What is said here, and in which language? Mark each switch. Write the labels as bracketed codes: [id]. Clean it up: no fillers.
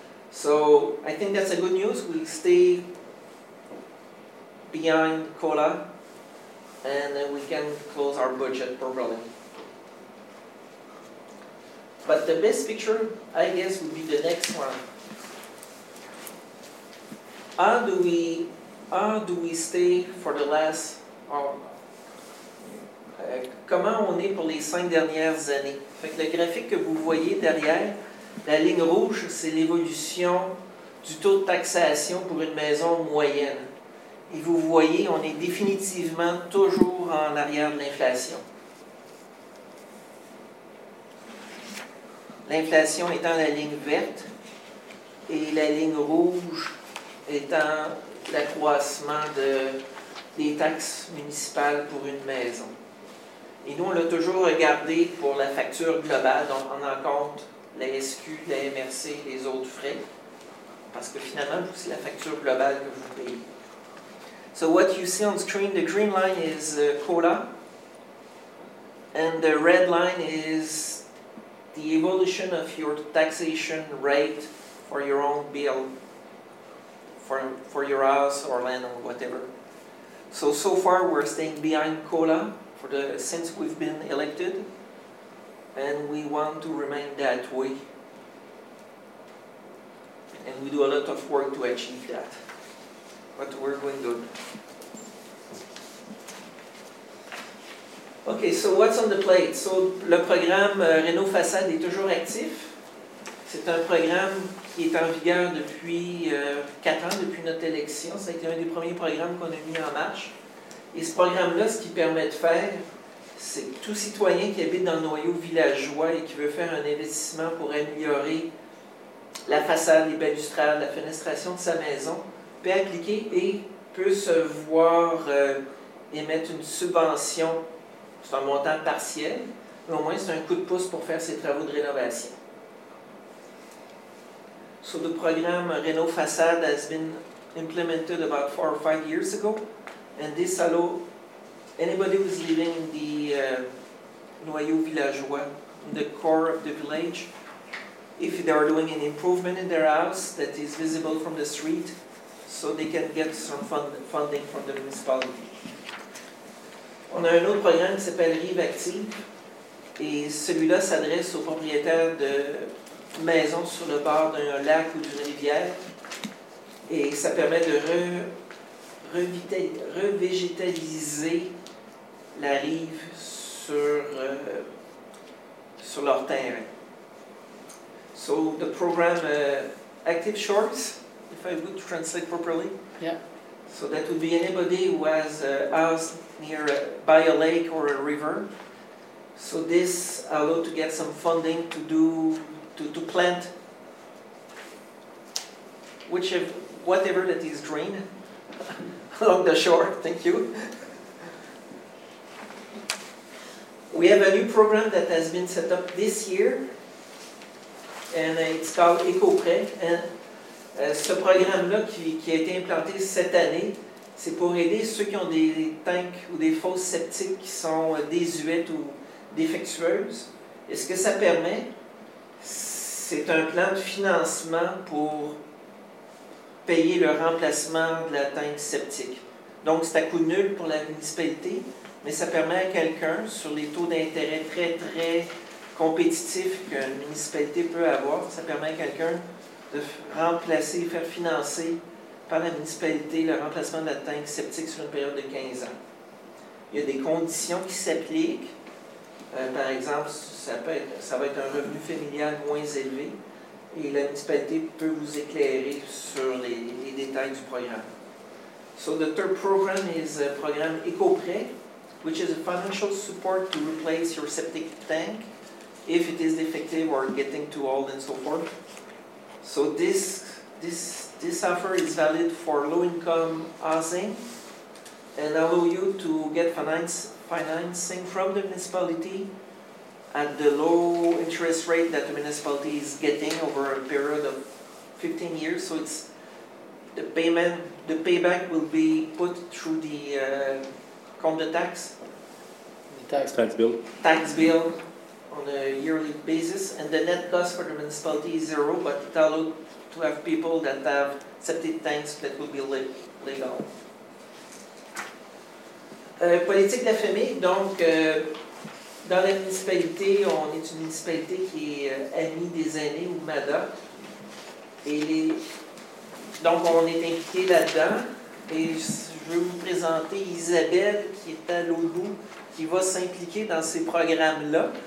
[en] So I think that's a good news. We stay behind COLA, and then we can close our budget properly. But the best picture, I guess, would be the next one. How do we stay for the last? [fr] Comment on est pour les cinq dernières années? Fait que le graphique que vous voyez derrière, la ligne rouge, c'est l'évolution du taux de taxation pour une maison moyenne. Et vous voyez, on est définitivement toujours en arrière de l'inflation. L'inflation étant la ligne verte et la ligne rouge étant l'accroissement des taxes municipales pour une maison. Et nous, on l'a toujours regardé pour la facture globale, donc on en compte la SQ, la MRC, les autres frais, parce que finalement, c'est la facture globale que vous payez. [en] So what you see on the screen, the green line is COLA, and the red line is the evolution of your taxation rate for your own bill, for your house or land or whatever. So far we're staying behind COLA since we've been elected, and we want to remain that way. And we do a lot of work to achieve that. But we're going good. Okay, so what's on the plate? [fr] So, le programme Réno-Façade est toujours actif. C'est un programme qui est en vigueur depuis 4 ans, depuis notre élection. Ça a été un des premiers programmes qu'on a mis en marche. Et ce programme-là, ce qu'il permet de faire, c'est que tout citoyen qui habite dans le noyau villageois et qui veut faire un investissement pour améliorer la façade, les balustrades, la fenestration de sa maison, peut appliquer et peut se voir émettre une subvention. C'est un montant partiel, mais au moins c'est un coup de pouce pour faire ses travaux de rénovation. [en] So the program Réno-Façade has been implemented about 4 or 5 years ago, and this allows anybody who's living in the noyau villageois, in the core of the village, if they are doing an improvement in their house that is visible from the street, so they can get some funding from the municipality. [fr] On a un autre programme qui s'appelle Rive Active, et celui-là s'adresse aux propriétaires de maisons sur le bord d'un lac ou d'une rivière, et ça permet de revégétaliser la rive sur leur terrain. [en] So the program Active Shorts, if I would translate properly. Yeah. So that would be anybody who has a house near by a lake or a river. So this allowed to get some funding to plant whatever that is green along the shore. Thank you. We have a new program that has been set up this year, and it's called EcoPrêt. [fr] Ce programme-là qui a été implanté cette année, c'est pour aider ceux qui ont des tanks ou des fosses septiques qui sont désuètes ou défectueuses. Et ce que ça permet, c'est un plan de financement pour payer le remplacement de la tank septique. Donc, c'est à coût nul pour la municipalité, mais ça permet à quelqu'un, sur les taux d'intérêt très, très compétitifs qu'une municipalité peut avoir, ça permet à quelqu'un de remplacer, faire financer par la municipalité le remplacement de la tank septique sur une période de 15 ans. Il y a des conditions qui s'appliquent, Par exemple, ça va être un revenu familial moins élevé et la municipalité peut vous éclairer sur les détails du programme. [en] So the third program is a program EcoPrêt, which is a financial support to replace your septic tank if it is defective or getting too old and so forth. So this offer is valid for low-income housing and allow you to get financing from the municipality at the low interest rate that the municipality is getting over a period of 15 years. So it's the payback will be put through the compte tax. The tax. Tax bill. Tax bill on a yearly basis. And the net cost for the municipality is zero, but it allowed to have people that have septic tanks that will be legal. [fr] Politique de la famille, donc dans la municipalité, on est une municipalité qui est amie des aînés ou MADA. Donc on est invité là-dedans. Et je veux vous présenter Isabelle qui est à l'autre bout, qui va s'impliquer dans ces programmes-là.